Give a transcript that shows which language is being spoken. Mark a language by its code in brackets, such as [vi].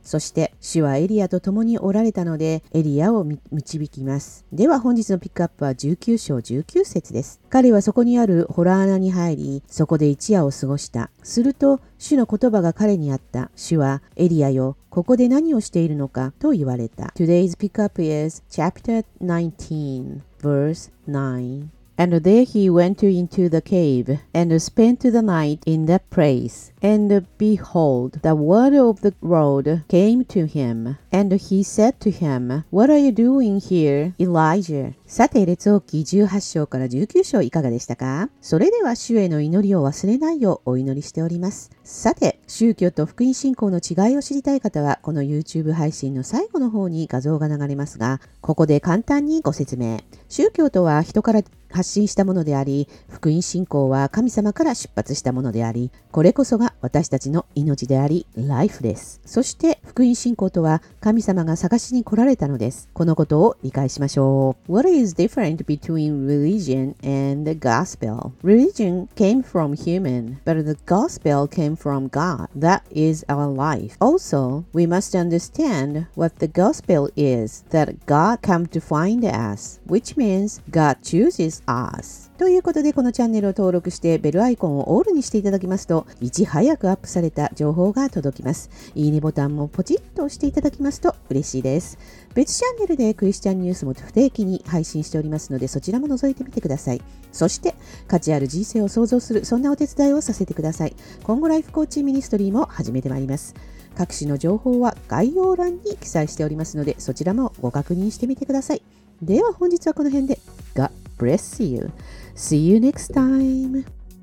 [ja] そして、主はエリアと共におられたので、エリアを導きます。では本日のピックアップは19章19節です。彼はそこにある洞穴に入り、そこで一夜を過ごした。すると、主の言葉が彼にあった。主は、エリアよ、ここで何をしているのかと言われた。 [en] Today's pickup is chapter 19, verse 9. And there he went into the cave, and spent the night in that place. And behold, the word of the Lord came to him. And he said to him, What are you doing here, Elijah? [ja] さて、列王記18章から19章いかがでしたか？それでは主への祈りを忘れないようお祈りしております。さて、宗教と福音信仰の違いを知りたい方は、この YouTube 配信の最後の方に画像が流れますが、ここで簡単にご説明。宗教とは人から発信したものであり、福音信仰は神様から出発したものであり、これこそが私たちの命であり、ライフです。そして、福音信仰とは神様が探しに来られたのです。このことを理解しましょう。 What is different between religion and the gospel? Religion came from human, but the gospel came from God. That is our life. Also, we must understand what the gospel is, that God come to find us, which means God chooses. ということで、このチャンネルを登録してベルアイコンをオールにしていただきますと、いち早早くアップされた情報が届きます。いいねボタンもポチッと押していただきますと嬉しいです。別チャンネルでクリスチャンニュースも不定期に配信しておりますので、そちらも覗いてみてください。そして価値ある人生を創造する、そんなお手伝いをさせてください。今後ライフコーチミニストリーも始めてまいります。各種の情報は概要欄に記載しておりますので、そちらもご確認してみてください。では本日はこの辺で。 [en] God bless you. See you next time.